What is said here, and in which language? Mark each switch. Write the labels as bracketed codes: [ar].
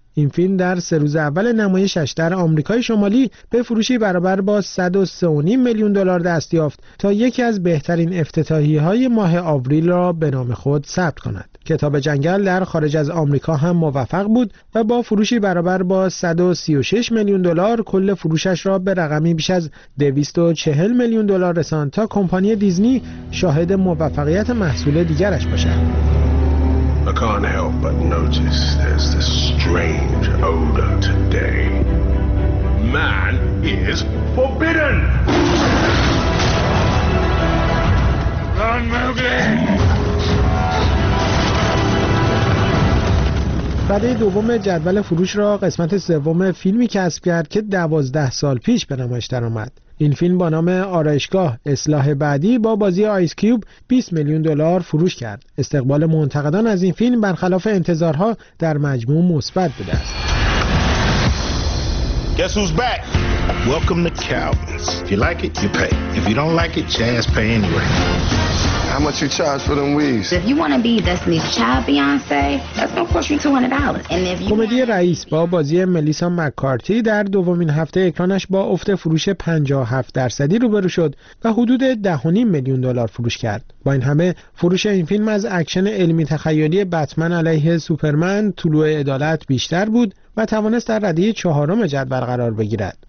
[fa] این فیلم در 3 روز اول نمایشش در آمریکای شمالی به فروشی برابر با 103.5 میلیون دلار دست یافت تا یکی از بهترین افتتاحیه‌های ماه آوریل را به نام خود ثبت کند. کتاب جنگل در خارج از آمریکا هم موفق بود و با فروشی برابر با 136 میلیون دلار کل فروشش را به رقمی بیش از 240 میلیون دلار رساند تا کمپانی دیزنی شاهد موفقیت محصول دیگرش باشد. [en] I can't help but notice there's this strange odor today. Man is forbidden! Run, Mowgli! [fa] رده دوم جدول فروش را قسمت سوم فیلمی کسب کرد که 12 سال پیش به نمایش درآمد. این فیلم با نام آرایشگاه اصلاح بعدی با بازی آیس کیوب 20 میلیون دلار فروش کرد. استقبال منتقدان از این فیلم برخلاف انتظارها در مجموع مثبت بوده است. [en] Guess who's back? Welcome to Calvin's. If you like it, you pay. If you don't like it, jazz pay anyway. How much you charge for them weaves? If you want to be Destiny's Child Beyonce, that's gonna cost you $200. And if you [fa] کمدی رئیس با بازی ملیسا مک‌کارتی در دومین هفته اکرانش با افت فروش 57% روبرو شد و حدود 10.5 میلیون دلار فروش کرد. با این همه فروش این فیلم از اکشن علمی تخیلی بتمن علیه سوپرمن طلوع عدالت بیشتر بود و توانست در رده چهارم جدول قرار بگیرد.